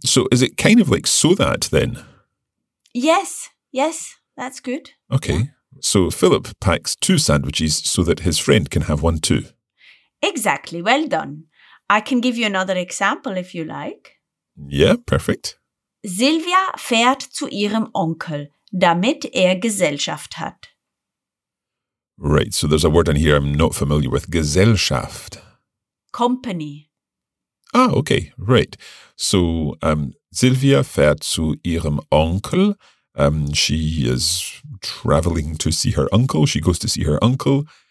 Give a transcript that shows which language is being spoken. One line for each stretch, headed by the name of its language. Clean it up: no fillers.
English: So is it kind of like so that then? Yes, that's good. Okay, yeah. So Philip packs two sandwiches so that his friend can have one too. Exactly, well done. I can give you another example if you like. Yeah, perfect.
German: Silvia fährt zu ihrem Onkel, damit Gesellschaft hat.
English: Right, so there's a word in here I'm not familiar with.
German: Gesellschaft.
English: Company. Ah, okay, right.
German: So, Silvia fährt zu ihrem Onkel.
English: She is travelling to see her uncle. She goes to see her uncle.